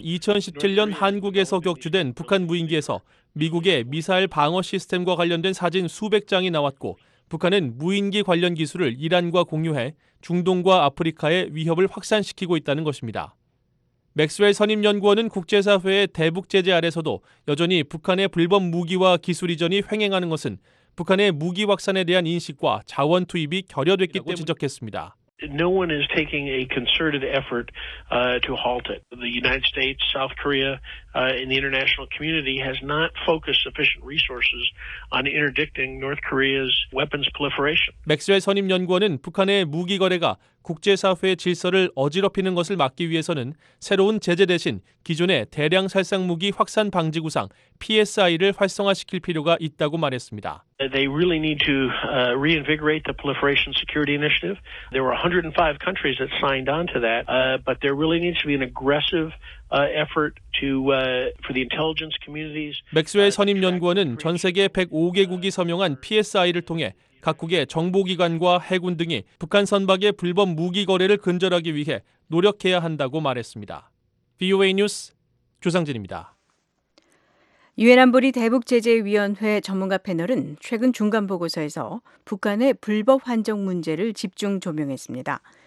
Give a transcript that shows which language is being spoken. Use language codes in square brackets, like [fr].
[ko] 지난 2017년 한국에서 격추된 북한 무인기에서 미국의 미사일 방어 시스템과 관련된 사진 수백 장이 나왔고 북한은 무인기 관련 기술을 이란과 공유해 중동과 아프리카의 위협을 확산시키고 있다는 것입니다. 맥스웰 선임연구원은 국제사회의 대북 제재 아래서도 여전히 북한의 불법 무기와 기술 이전이 횡행하는 것은 북한의 무기 확산에 대한 인식과 자원 투입이 결여됐기 때문에 지적했습니다. [en] No one is taking a concerted effort to halt it. The United States, South Korea, and the international community has not focused sufficient resources on interdicting North Korea's weapons proliferation. [ko] 맥스웰 선임 연구원은 북한의 무기 거래가 국제사회의 질서를 어지럽히는 것을 막기 위해서는 새로운 제재 대신 기존의 대량 살상 무기 확산 방지 구상 PSI를 활성화시킬 필요가 있다고 말했습니다. [en] They really need to reinvigorate the proliferation security initiative. There were 105 countries that signed on to that, but there really needs to be an aggressive effort to for the intelligence communities. [ko] 맥스웰 선임 연구원은 전 세계 105개국이 서명한 PSI를 통해 각국의 정보기관과 해군 등이 북한 선박의 불법 무기 거래를 근절하기 위해 노력해야 한다고 말했습니다. VOA 뉴스 조상진입니다. 유엔 안보리 대북제재위원회 전문가 패널은 최근 중간 보고서에서 북한의 불법 환적 문제를 집중 조명했습니다.